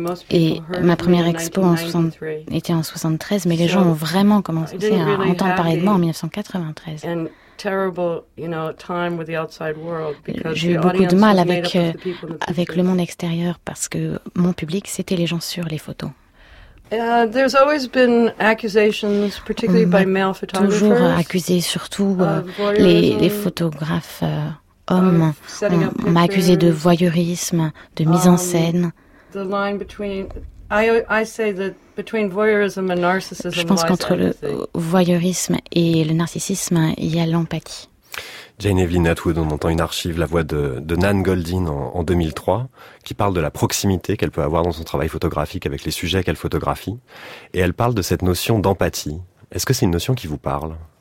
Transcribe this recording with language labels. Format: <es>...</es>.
<fr>Et ma première expo était en 73, mais les gens ont vraiment commencé à entendre parler de moi en 1993. J'ai eu beaucoup de mal avec le monde extérieur, parce que mon public, c'était les gens sur les photos.</fr> <en>There's always been accusations, particularly by male photographers.</en> <fr>Toujours accusé, surtout les photographes hommes. On m'a accusé de voyeurisme, de mise en scène.</fr> <en>The line between, I say that between voyeurism and narcissism.</en> <fr>Je pense qu'entre le voyeurisme et le narcissisme, il y a l'empathie. Jane Evelyn Atwood, on entend une archive, la voix de Nan Goldin en 2003, qui parle de la proximité qu'elle peut avoir dans son travail photographique avec les sujets qu'elle photographie. Et elle parle de cette notion d'empathie. Est-ce que c'est une notion qui vous parle?</fr>